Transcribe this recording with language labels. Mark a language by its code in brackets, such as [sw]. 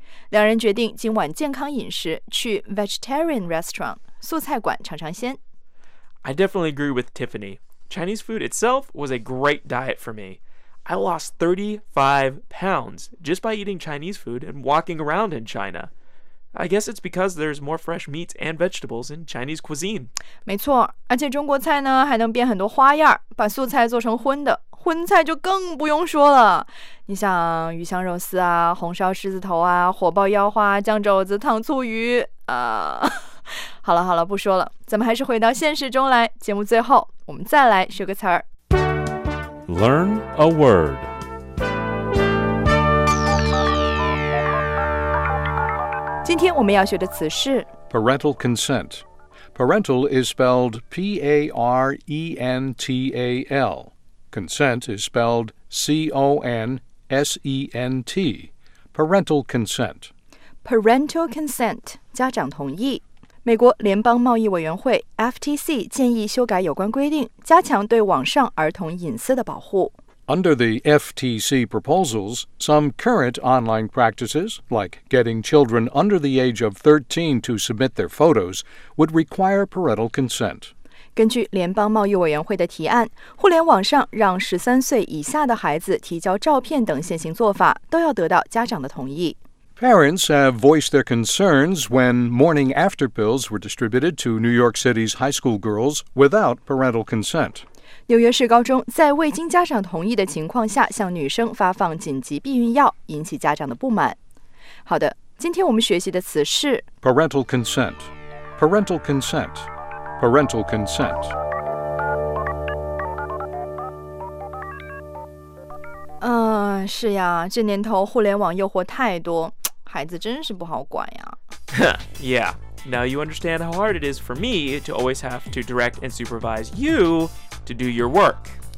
[zh] 两人决定今晚健康饮食，去 [en] vegetarian restaurant [zh] 素菜馆尝尝鲜。 [en] I definitely agree with Tiffany. Chinese food itself was a great diet for me. I lost 35 pounds just by eating Chinese food and walking around in China. I guess it's because there's more fresh meats and vegetables in Chinese cuisine. [zh] 没错，而且中国菜呢还能变很多花样，把素菜做成荤的。荤菜就更不用说了，你像鱼香肉丝啊，红烧狮子头啊，火爆腰花，酱肘子，糖醋鱼啊。好了好了，不说了，咱们还是回到现实中来。节目最后，我们再来学个词儿。 [en] Learn a word. Parental consent. Parental is spelled P-A-R-E-N-T-A-L. Consent is spelled C-O-N-S-E-N-T, parental consent. Parental consent, [zh] 家长同意。美国联邦贸易委员会 FTC 建议修改有关规定，加强对网上儿童隐私的保护。 [en] Under the FTC proposals, some current online practices, like getting children under the age of 13 to submit their photos, would require parental consent. [zh] 根据联邦贸易委员会的提案，互联网上让13岁以下的孩子提交照片等现行做法都要得到家长的同意。 [en] Parents have voiced their concerns when morning after pills were distributed to New York City's high school girls without parental consent. [zh] 纽约市高中在未经家长同意的情况下向女生发放紧急避孕药，引起家长的不满。好的，今天我们学习的词是 [en] parental consent. Parental consent. Parental consent. [zh] 是呀，这年头互联网诱惑太多，孩子真是不好管呀。 [en] Yeah, now you understand how hard it is for me to always have to direct and supervise you to do your work.